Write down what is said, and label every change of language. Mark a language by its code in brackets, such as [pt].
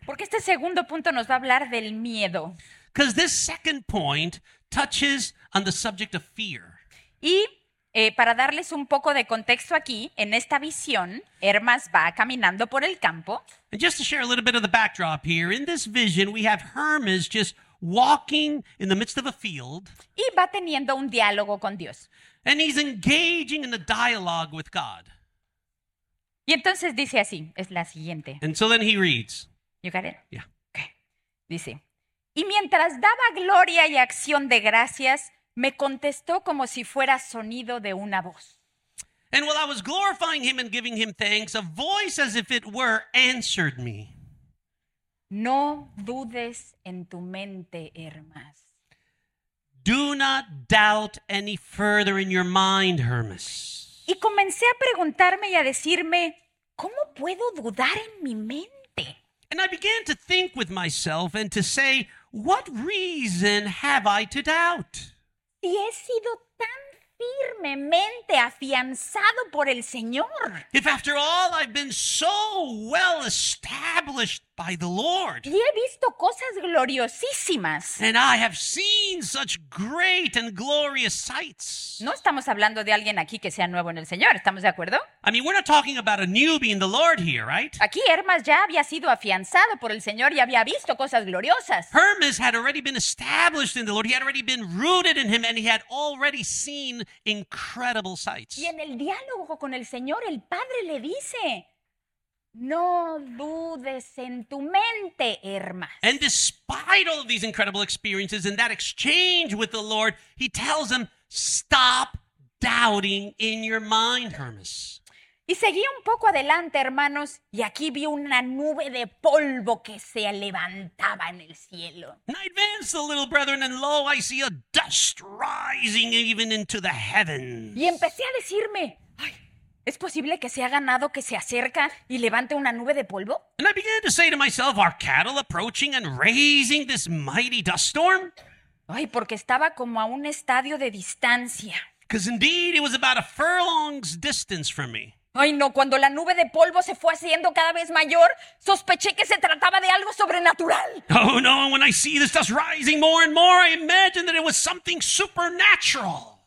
[es] Porque este segundo punto nos va a hablar del miedo. [en] Because this second point touches on the subject of fear. [es] Y para darles un poco de contexto aquí, en esta visión, Hermas va caminando por el campo. [en] And just to share a little bit of the backdrop here, in this vision we have Hermas just walking in the midst of a field. [es] Y va teniendo un diálogo con Dios. [en] And he's engaging in a dialogue with God. [es] Y entonces dice así, es la siguiente. [en] And so then he reads. You got it? Yeah. Okay. [es] Dice, y mientras daba gloria y acción de gracias, me contestó como si fuera sonido de una voz. [en] And while I was glorifying him and giving him thanks, a voice as if it were answered me. [es] No dudes en tu mente, Hermas. [en] Do not doubt any further in your mind, Hermas. [es] Y comencé a preguntarme y a decirme, ¿cómo puedo dudar en mi mente? [en] And I began to think with myself and to say, what reason have I to doubt? [es] Si he sido tan firmemente afianzado por el Señor. [en] If after all I've been so well established by the Lord. [es] Y he visto cosas gloriosísimas. [en] And I have seen such great and glorious sights. [es] No estamos hablando de alguien aquí que sea nuevo en el Señor, ¿estamos de acuerdo? [en] I mean, we're not talking about a newbie in the Lord here, right? [es] Aquí Hermas ya había sido afianzado por el Señor y había visto cosas gloriosas. [en] Hermas had already been established in the Lord. He had already been rooted in him and he had already seen incredible sights. [es] Y en el diálogo con el Señor, el Padre le dice, no dudes en tu mente, Hermas. [en] And despite all of these incredible experiences and that exchange with the Lord, he tells him, stop doubting in your mind, Hermas. [es] Y seguí un poco adelante, hermanos, y aquí vi una nube de polvo que se levantaba en el cielo. [en] And I advanced a little, brethren, and lo, I see a dust rising even into the heavens. [es] Y empecé a decirme, ay, ¿es posible que sea ganado que se acerca y levante una nube de polvo? [en] And I began to say to myself, are cattle approaching and raising this mighty dust storm? [es] Ay, porque estaba como a un estadio de distancia. [en] Because indeed it was about a furlong's distance from me. [es] Ay, no, cuando la nube de polvo se fue haciendo cada vez mayor, sospeché que se trataba de algo sobrenatural. [en] Oh, no, when I see this dust rising more and more, I imagine that it was something supernatural.